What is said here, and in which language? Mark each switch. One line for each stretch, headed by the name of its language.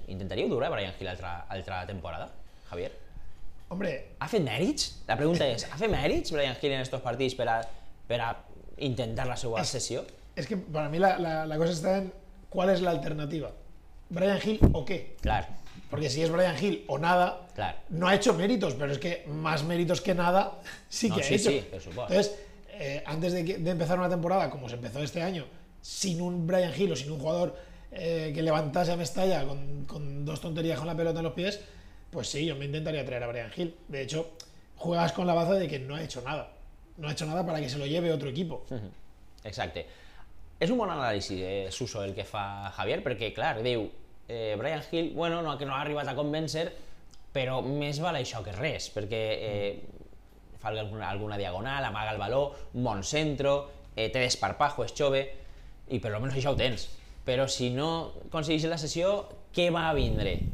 Catalan: Intentaríeu durar Brian Hill altra temporada, Javier?
Spanish: Hombre...
Catalan: Ha fet mèrits? La pregunta és, ha fet mèrits Brian Hill en estos partits per a intentar la seva sessió? És que per a mi la cosa està en qual és l'alternativa. Brian Hill o què? Clar.
Spanish: Porque si es Brian Hill o nada, claro, no ha hecho méritos, pero es que más méritos que nada sí que no, ha sí, hecho. Sí, por supuesto. Entonces, antes de empezar una temporada, como se empezó este año, sin un Brian Hill o sin un jugador que levantase a Mestalla con dos tonterías con la pelota en los pies, pues sí, yo me intentaría traer a Brian Hill. De hecho, juegas con la baza de que no ha hecho nada. No ha hecho nada para que se lo lleve otro equipo. Exacto. Es un buen análisis, Suso,
Catalan: el que fa Javier,
Spanish: porque claro,
Catalan: diu... Brian Hill, bueno, no, que no ha arribat a convèncer, però més val això que res, perquè fa alguna diagonal, amaga el baló, un bon centro, té desparpajo, és jove, i per lo menos això ho tens. Pero si no conseguís la sessió, què va a vindre?